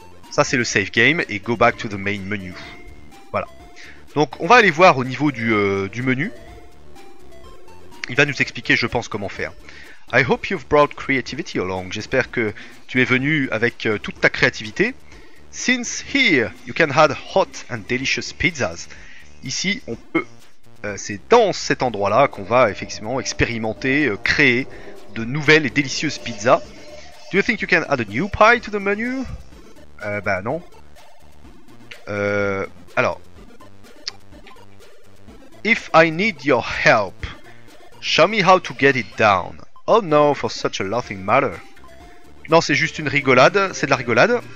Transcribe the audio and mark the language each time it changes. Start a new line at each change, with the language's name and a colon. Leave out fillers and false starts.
French: Ça c'est le
English: save game et go back to the main menu.
French: Voilà. Donc on va aller voir au niveau du menu. Il va nous expliquer, je pense, comment faire.
English: I hope you've brought creativity along.
French: J'espère que tu es venu avec toute ta créativité.
English: Since here you can have hot and delicious pizzas.
French: Ici on peut, c'est dans cet endroit là qu'on va effectivement expérimenter, créer de nouvelles et délicieuses pizzas.
English: Do you think you can add a new pie to the menu?
French: Ben non. Alors.
English: If I need your help, show me how to get it down. Oh no, for such a laughing matter.
French: Non, c'est juste une rigolade. C'est de la rigolade.